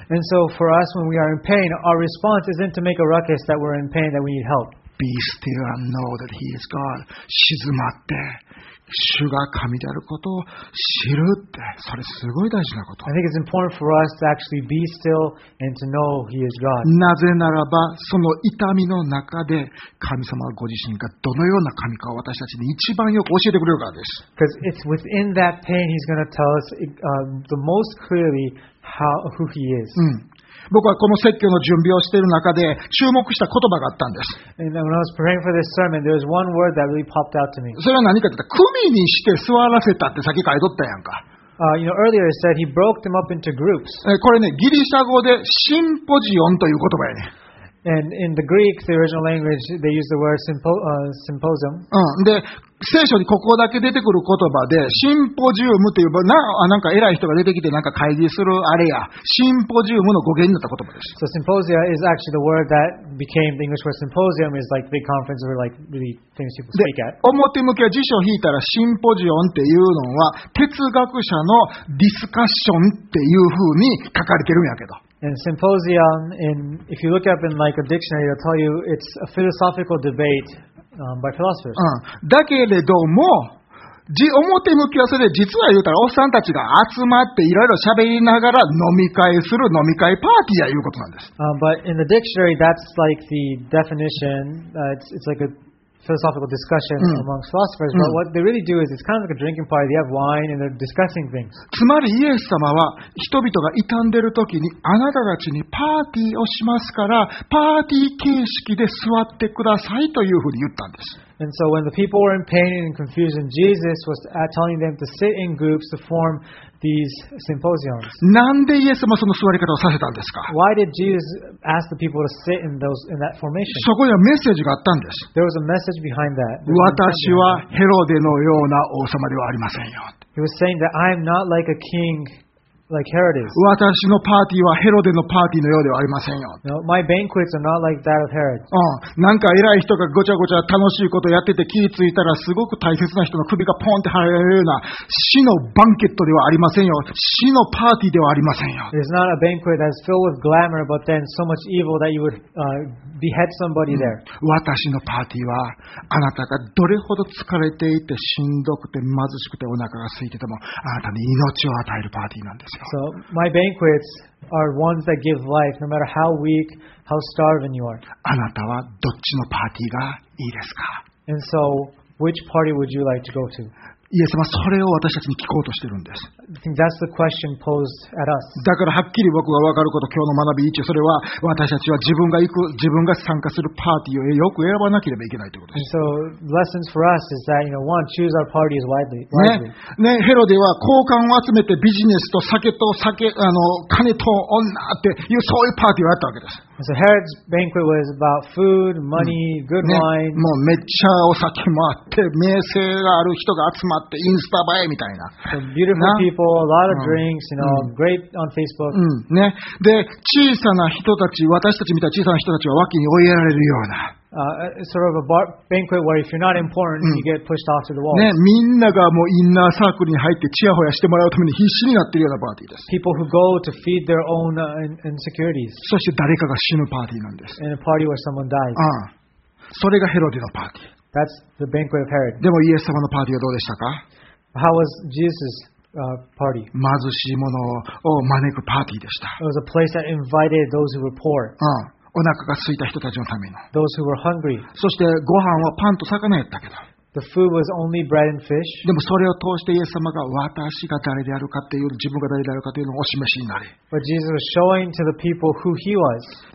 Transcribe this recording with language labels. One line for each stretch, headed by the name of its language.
English: And so for us when we are in pain, our response isn't to make a ruckus that we're in pain, that we need help. Be still and know that He is God.
Japanese: 静まって主が神であることを知るってそれすごい大事なこと。
English: I think it's important for us to actually be still and to know He is God.
Japanese: なぜならばその痛みの中で神様ご自身がどのような神かを私たちに一番よく教えてくれるからです。
English: Because it's within that pain He's going to tell us the most clearly who He is.
Japanese: 僕はこの説教の準備をしている中で注目した言葉があったんです。それは何かって言ったら、組にして座らせたってさっき書いとったやんか。
English: Earlier it said he broke them up into groups.
Japanese: これね、ギリシャ語でシンポジオンという言葉やね。
English: And in the Greek, the original language, they use the word symposium.
Japanese: で、聖書にここだけ出てくる言葉で、シンポジウムっていう、なんか偉い人が出てきてなんか会議するあれや、シンポジウムの語源になった言葉です。
English: So symposia is actually the word that became the English word symposium is like big conference or like really famous people speak at.
Japanese: で、表向きは辞書を引いたらシンポジオンっていうのは、哲学者のディスカッションっていう風に書かれてるんやけど。
English: And symposium, and if you look up in like a dictionary, it'll tell you it's a philosophical debate, by philosophers.
Japanese: だけれども、表向きはそれで実は言うたらおっさんたちが集まっていろいろ喋りながら飲み会する飲み会パーティーやいうことなんです。
English: But in the dictionary, that's like the definition. It's like aphilosophical discussion amongst philosophers, but what they really do is it's kind of like a drinking party. They have wine and they're discussing things.
Japanese: つまりイエス様は人々が傷んでる時にあなたたちにパーティーをしますからパーティー形式で座ってくださいというふうに言ったんです。
English: And so when the people were in pain and confusion, Jesus was telling them to sit in groups to form these symposiums.
Japanese: なんでイエス様その座り方をさせたんですか?
English: Why did Jesus ask the people to sit in that formation?
Japanese: そこにはメッセージがあったんです。
English: There was a message behind that.
Japanese: 私はヘロデのような王様ではありませんよ。
English: He was saying that I am not like a king. Like、Herod is.
Japanese: 私のパーティーはヘロデのパーティーのようではありませんよ。
English: No, my banquets are not like that of Herod.
Japanese: なんか偉い人がごちゃごちゃ楽しいことやってて気ついたらすごく大切な人の首がポンって張られるような死のバンケットではありませんよ。死のパーティーではありませんよ。
English: It's not a banquet that's filled with glamour, but then so much evil that you would behead somebody there.、
Japanese: 私のパーティーはあなたがどれほど疲れていてしんどくて貧しくてお腹が空いててもあなたに命を与えるパーティーなんです。
English: So my banquets are ones that give life, no matter how weak, how starving you are.
Japanese: あなたはどっちのパーティーがいいですか?
English: And so, which party would you like to go to?
Japanese: イエス様、それを私たちに聞こうとしてるんです。
English: I think that's the question posed at us.
Japanese: だからはっきり僕が分かること、今日の学び1、それは私たちは自分が参加するパーティーをよく選ばなければいけないということです。
English: And so, lessons for us is that, you know, one, choose our parties wisely.
Japanese: ね、ヘロデは好感を集めてビジネスと酒と酒、金と女っていう、そういうパーティーをやったわけです。
English: So Herod's banquet was about food, money, good wine.、
Japanese: ね、もうめっちゃお酒もあって、名声がある人が集まって、インスタ映えみたいな。
English: So、beautiful people, a lot of drinks, you know, great on Facebook.、
Japanese: ね、で、小さな人たち、私たちみたいな小さな人たちは脇に追いやられるような。
English: Sort of a banquet where if you're not important,、you get pushed off to the walls.
Japanese: ね、みんながもうインナーサークルに入ってチヤホヤしてもらうために必死になっているようなパーティーです。
English: People who go to feed their own insecurities.
Japanese: そして誰かが死ぬパーティーなんです。
English: And a party where someone dies.
Japanese: それがヘロデのパーティー。
English: That's the banquet of Herod.
Japanese: でもイエス様のパーティーはどうでしたか？
English: How was Jesus'party?
Japanese: 貧しい者を招くパーティーでした。
English: It was a place that invited those who were poor.、
Japanese: うん、お腹が空いた人たちのための。
English: Those who were hungry.
Japanese: そしてご飯はパンと魚やったけど。
English: The food was only bread and fish.
Japanese: でもそれを通してイエス様が私が誰であるかっていう自分が誰であるかというのをお示しになり。
English: But Jesus was showing to the people who he was.